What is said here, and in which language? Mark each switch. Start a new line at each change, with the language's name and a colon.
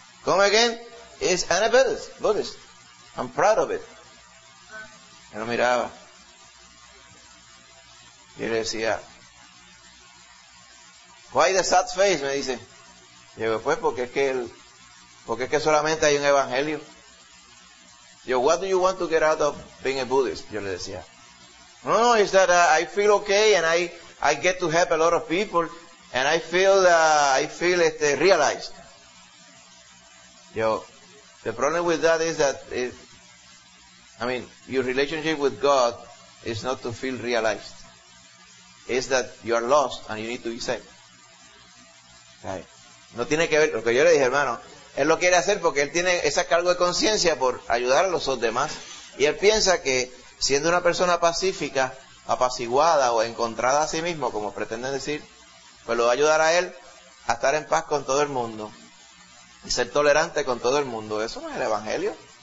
English: ¿Cómo again? It's Annabelle's Buddhist. I'm proud of it.
Spanish: Yo lo miraba. Y le decía,
English: why the sad face?
Spanish: Me dice. Y yo, pues, porque es que solamente hay un evangelio.
English: Yo, what do you want to get out of being a Buddhist?
Spanish: Yo le decía.
English: No, is that I feel okay and I get to help a lot of people. And I feel realized. Yo, the problem with that is that your relationship with God is not to feel realized. It's that you are lost and you need to be saved. Okay.
Spanish: No tiene que ver, lo que yo le dije, hermano, él lo quiere hacer porque él tiene ese cargo de conciencia por ayudar a los demás. Y él piensa que siendo una persona pacífica, apaciguada o encontrada a sí mismo, como pretenden decir, pues lo va a ayudar a él a estar en paz con todo el mundo y ser tolerante con todo el mundo. Eso no es el Evangelio.